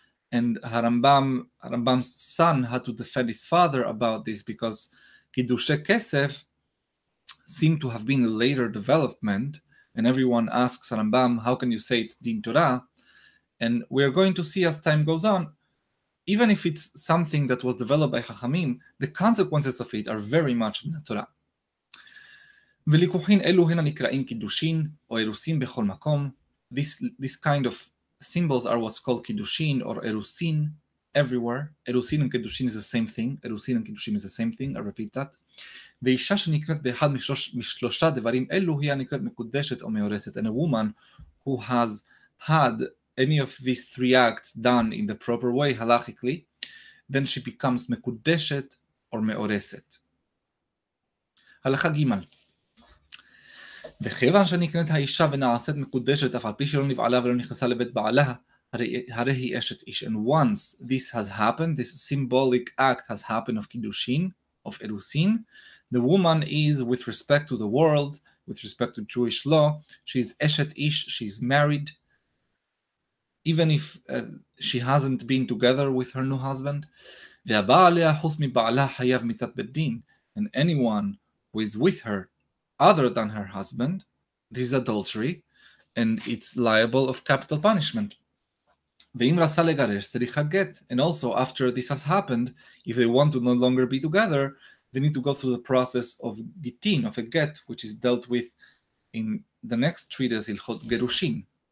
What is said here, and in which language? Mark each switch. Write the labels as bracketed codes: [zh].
[en] And Harambam's son had to defend his father about this, because Kiddushe Kesef seem to have been a later development. And everyone asks Harambam, how can you say it's din Torah? And we're going to see as time goes on, even if it's something that was developed by Chachamim, the consequences of it are very much in the Torah. [he] ולקוחין אלו הן הנקראים קידושין או אירוסין בכל מקום. [en] This kind of symbols are what's called קידושין or אירוסין everywhere. אירוסין and קידושין is the same thing. אירוסין and קידושין is the same thing. I repeat that. [he] ואישה שנקראת באחד משלושה דברים אלו היא הנקראת מקודשת או מאורסת. [en] And a woman who has had any of these three acts done in the proper way, halachically, then she becomes מקודשת or מאורסת. [he] הלכה גימל. וכיוון שנקנית האישה ונעשית מקודשת, אף על פי שלא נבעלה ולא נכנסה לבית בעלה, הרי היא אשת איש. [en] And once this has happened, this symbolic act has happened of kiddushin, of erusin, the woman is, with respect to the world, with respect to Jewish law, she is eshet ish, she is married, even if she hasn't been together with her new husband. [he] והבאה עליה חוס מבעלה חייב מיתת בית דין. [en] And anyone who is with her, other than her husband, this is adultery, and it's liable of capital punishment. And also, after this has happened, if they want to no longer be together, they need to go through the process of gittin, of a get, which is dealt with in the next treatise, Ilchot Gerushin.